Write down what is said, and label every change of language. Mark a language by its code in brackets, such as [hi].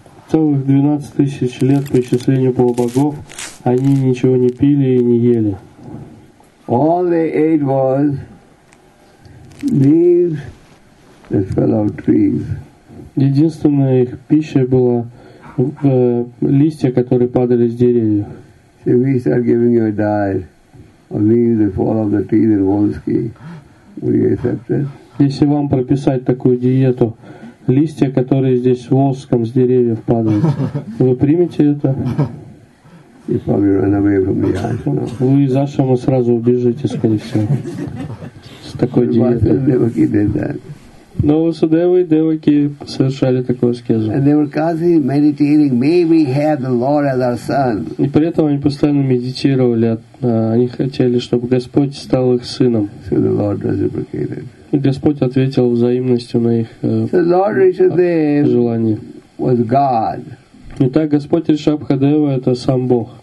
[ru] Целых 12 тысяч лет, по исчислению полубогов, они ничего не пили и не ели. [en] All they ate was leaves that fell out of trees. [ru] Единственная их пища была листья, которые падали с деревьев. [en] So we start giving you a diet of leaves that fall off the trees in Volsky. Will you accept it? [ru] Если вам прописать такую диету, листья, которые здесь в Волжском с деревьев падают, вы примете это? [en] You probably run away from the ashram. [ru] Вы из ашрама сразу убежите, скорее всего, с такой диетой. Но Васудева и Деваки совершали такую аскезу. [en] And they were constantly meditating, may we have the Lord as our son. [ru] И при этом они постоянно медитировали, они хотели, чтобы Господь стал их сыном. [en] So the Lord reciprocated. [ru] И Господь ответил взаимностью на их желание. [en] Was God. [ru] Итак, Господь Ришабхадева — это сам Бог.